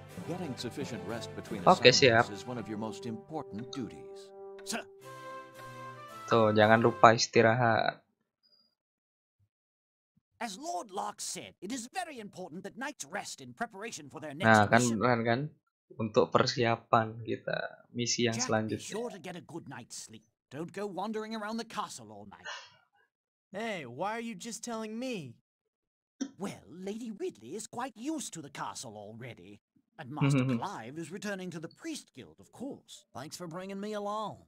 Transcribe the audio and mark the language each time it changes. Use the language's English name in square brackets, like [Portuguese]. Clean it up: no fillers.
[English] Getting sufficient rest between assignments is one of your most important duties. Sir. [Indonesian] Tuh, jangan lupa istirahat. [English] As Lord Locke said, it is very important that knights rest in preparation for their next mission. [Indonesian] Nah, kan benar kan? Untuk persiapan kita misi yang selanjutnya. [English] Jack, be sure to get a good night's sleep. Don't go wandering around the castle all night. Hey, why are you just telling me? Well, Lady Ridley is quite used to the castle already. And Master Clive is returning to the Priest Guild, of course. Thanks for bringing me along.